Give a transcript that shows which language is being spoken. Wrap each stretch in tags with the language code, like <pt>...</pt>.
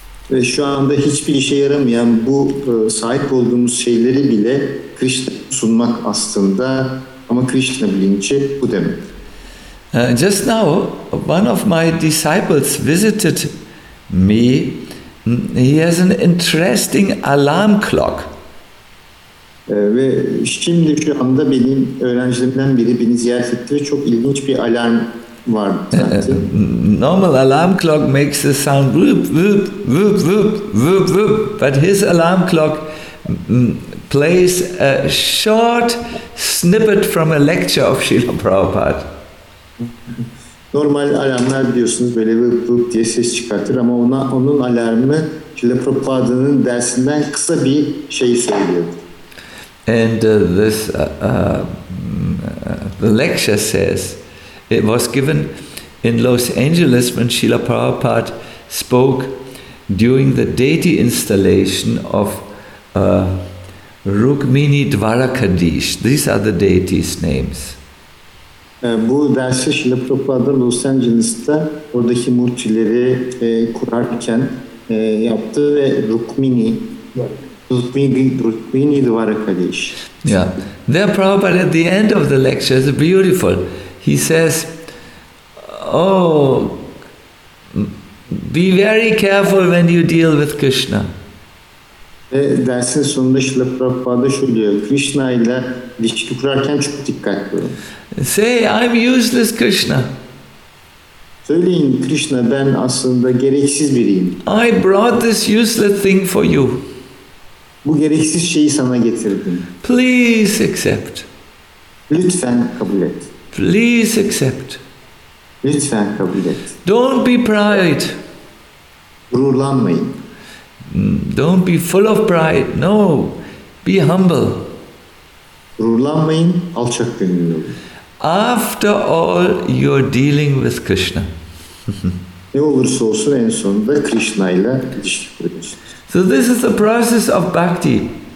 <tr>Ve şu anda hiçbir işe yaramayan bu sahip olduğumuz şeyleri bile Krishna sunmak aslında. Ama Krishna bilinci bu demek.</tr> <en>Just now, one of my disciples visited me. He has an interesting alarm clock.</en> <tr>Ve şimdi şu anda benim öğrencilerimden biri beni ziyaret etti ve çok ilginç bir alarm vardı.</tr> <en>Normal alarm clock makes the sound whoop, whoop, whoop, whoop, whoop, whoop. But his alarm clock plays a short snippet from a lecture of Srila Prabhupada.</en> <tr>Normal alarmlar biliyorsunuz böyle vıp vıp diye ses çıkartır ama onun alarmı Srila Prabhupada'nın dersinden kısa bir şey söylüyor.</tr> <en>And this the lecture says it was given in Los Angeles when Srila Prabhupada spoke during the deity installation of Rukmini Dwarakadish. These are the deities' names.</en> <tr>Bu dersi Srila Prabhupada Los Angeles'ta oradaki murtileri kurarken yaptı ve Rukmini Dwarakadish.</tr> <en>Yeah. There Prabhupada at the end of the lecture is beautiful. He says, oh, be very careful when you deal with Krishna.</en> <tr>Ve dersin sonunda Srila Prabhupada şöyle diyor, Krishna ile ilişki kurarken çok dikkatli olun.</tr> <en>Say, I'm useless Krishna.</en> <tr>Söyleyin Krishna, ben aslında gereksiz biriyim.</tr> <en>I brought this useless thing for you.</en> <tr>Bu gereksiz şeyi sana getirdim.</tr> <en>Please accept.</en> <tr>Lütfen kabul et.</tr> <en>Please accept.</en> <tr>Lütfen kabul et.</tr> <en>Don't be proud.</en> <tr>Gururlanmayın.</tr> <en>Don't be full of pride. No, be humble.</en> <tr>Gururlanmayın, alçak gönüllü olun.</tr> <en>After all, you're dealing with Krishna.</en> <tr>Ne olursa olsun en sonunda Krishna ile ilişki kuruyorsunuz.</tr> <en>So this is the process of bhakti.</en>